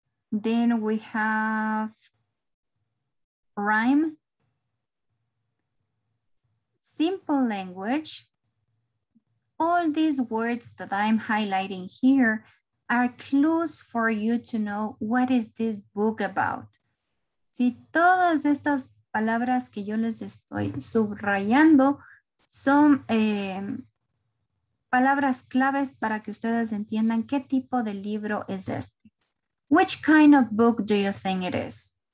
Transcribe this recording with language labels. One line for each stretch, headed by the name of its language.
English: Then we have rhyme, simple language. All these words that I'm highlighting here are clues for you to know what is this book about.
Spanish: Si todas estas palabras que yo les estoy subrayando son palabras claves para que ustedes entiendan qué tipo de libro es este.
English: Which kind of book do you think it is?